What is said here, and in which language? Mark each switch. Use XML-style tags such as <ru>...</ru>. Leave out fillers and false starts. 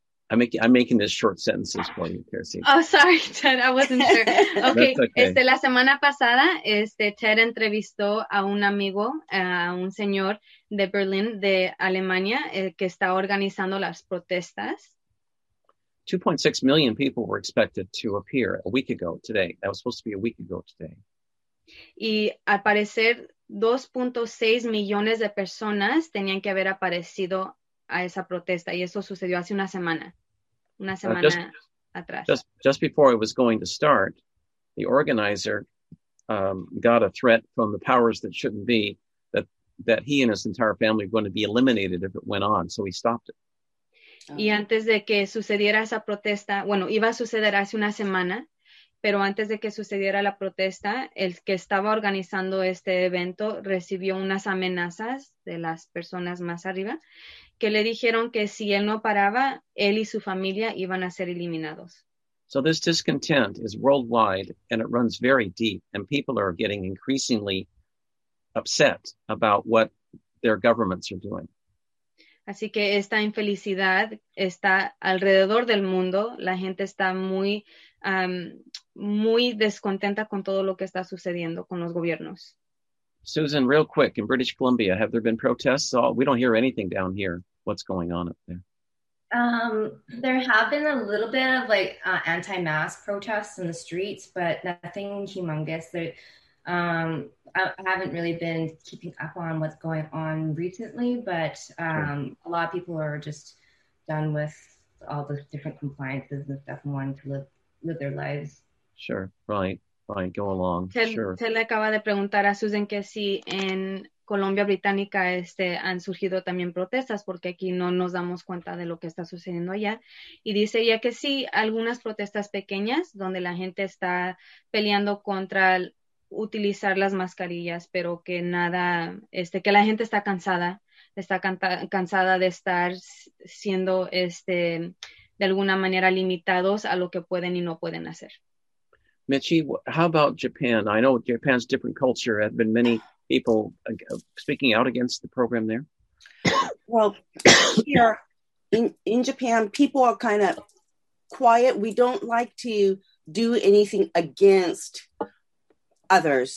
<en>I'm making this short sentences for you, Kirstie. Oh, sorry, Ted. I wasn't sure. Okay.</en> <es>La semana pasada, Ted entrevistó a un amigo, a un señor de Berlín, de Alemania, que está organizando las protestas.</es> <en>2.6 million people were expected to appear a week ago today. That was supposed to be a week ago today.</en> <es>Y al parecer, 2.6 millones de personas tenían que haber aparecido a esa protesta, y eso sucedió hace una semana atrás.</es> <en>Just before it was going to start, the organizer got a threat from the powers that shouldn't be that that he and his entire family were going to be eliminated if it went on, so he stopped it.</en> <es>Y antes de que sucediera esa protesta, bueno, iba a suceder hace una semana, pero antes de que sucediera la protesta, el que estaba organizando este evento recibió unas amenazas de las personas más arriba que le dijeron que si él no paraba, él y su familia iban a ser eliminados.</es> <en>So this discontent is worldwide and it runs very deep and people are getting increasingly upset about what their governments are doing.</en> <es>Así que esta infelicidad está alrededor del mundo. La gente está muy, muy descontenta con todo lo que está sucediendo con los gobiernos.</es> <en>Susan, real quick, in British Columbia, have there been protests? Oh, we don't hear anything down here. What's going on up there? There have been a little bit of like anti-mask protests in the streets, but nothing humongous. I haven't really been keeping up on what's going on recently, but a lot of people are just done with all the different compliances and stuff and wanting to live their lives. Sure, right, go along.</en> <es>Se le acaba de preguntar a Susan que si en Colombia Británica han surgido también protestas, porque aquí no nos damos cuenta de lo que está sucediendo allá. Y dice ella que sí, algunas protestas pequeñas donde la gente está peleando contra utilizar las mascarillas, pero que nada, que la gente está cansada de estar siendo de alguna manera limitados a lo que pueden y no pueden hacer.</es> <en>Michi, how about Japan? I know Japan's different culture. There have been many people speaking out against the program there. Well, here in Japan, people are kind of quiet. We don't like to do anything against others.</en>